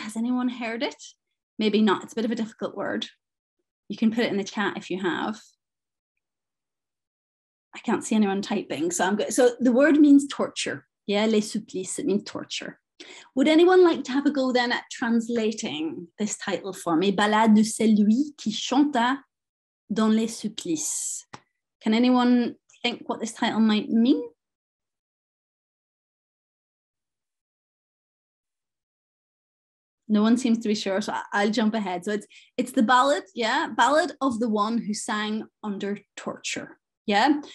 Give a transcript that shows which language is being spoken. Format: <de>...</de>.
<en>Has anyone heard it? Maybe not. It's a bit of a difficult word. You can put it in the chat if you have. I can't see anyone typing, so I'm good. So the word means torture. Yeah,</en> <fr>les supplices,</fr> <en>it means torture. Would anyone like to have a go then at translating this title for me?</en> <fr>Ballade de celui qui chanta dans les supplices.</fr> <en>Can anyone think what this title might mean? No one seems to be sure, so I'll jump ahead. So it's the ballad, yeah? Ballad of the one who sang under torture, yeah?</en>